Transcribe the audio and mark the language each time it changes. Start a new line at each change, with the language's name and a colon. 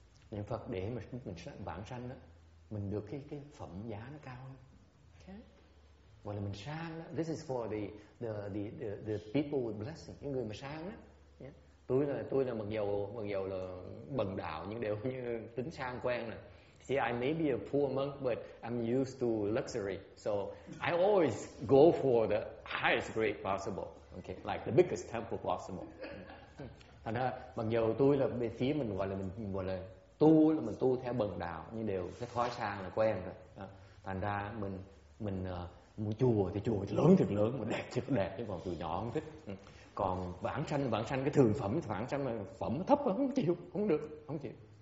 Vietnamese: Niệm Phật để mình bản sanh đó, mình được cái phẩm giá nó cao hơn. Okay. Gọi là mình sang đó.
English: This is for the people with blessing,
Vietnamese: những người mà sang đó.
English: Yeah.
Vietnamese: Tôi là mặc dầu là bần đạo nhưng đều như tính sang quen rồi.
English: See, I may be a poor monk, but I'm used to luxury. So I always go for the highest grade possible. Okay, like the biggest temple possible.
Vietnamese: Thành ra, mặc dù tôi là bên phía mình gọi là tu, là mình tu theo bần đạo, nhưng đều cái thói sang là quen rồi. Thành ra mình mua chùa thì lớn thật lớn, mà đẹp thật đẹp, nhưng còn từ nhỏ không thích. Còn bản sanh cái thường phẩm, bản sanh phẩm thấp không chịu, không được, không chịu.